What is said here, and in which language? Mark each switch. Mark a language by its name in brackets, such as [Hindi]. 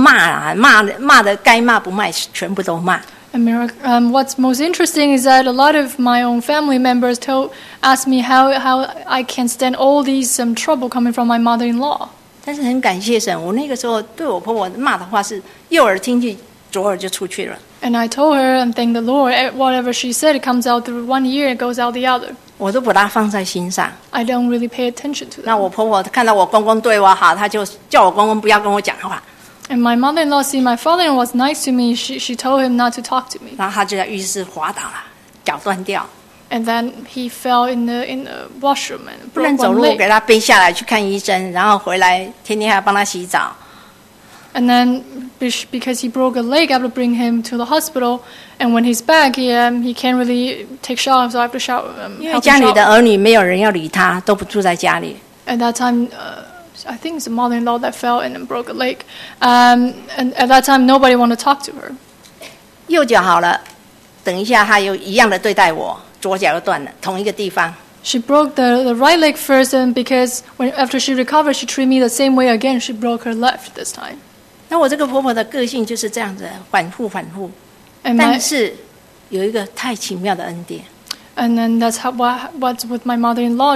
[Chinese] 我在这个家庭有很多的亲戚朋友说你怎么受得了你婆婆整天大声骂啊骂的该骂不骂全部都骂 [English] What's most interesting is that a lot of my own family members ask me how I can stand all these trouble coming from my mother-in-law [Chinese] 但是很感谢神我那个时候对我婆婆骂的话是右耳听去左耳就出去了 [English] And I told her and thank the Lord whatever she said it comes out through one ear and goes out the other [Chinese] 我都不大放在心上 [English] I don't really pay attention to that [Chinese] 那我婆婆看到我公公对我好 她就叫我公公不要跟我讲话 [English] And my mother-in-law see my father-in-law was nice to me she told him not to talk to me [Chinese] 然后她就在浴室滑倒了 脚断掉 [English] And then he fell in the washroom and [Chinese] 不能走路给她背下来去看医生 然后回来天天还要帮她洗澡 [English] And then because he broke a leg I have to bring him to the hospital And when he's back, he can't really take shower, so I have to shower. [Chinese] 因为家里的儿女没有人要理他, 都不住在家里。 [English] At that time, I think it's a mother-in-law that fell and broke a leg. And at that time, nobody wanted to talk to her. [Chinese] 右脚好了, 等一下他又一样的对待我, 左脚又断了, 同一个地方。 [English] She broke the right leg first, and because after she recovered, she treated me the same way again. She broke her left this time. [Chinese] 那我这个婆婆的个性就是这样子, 反复反复。但是有一个太奇妙的恩典。And [English] then that's how what's with my mother-in-law.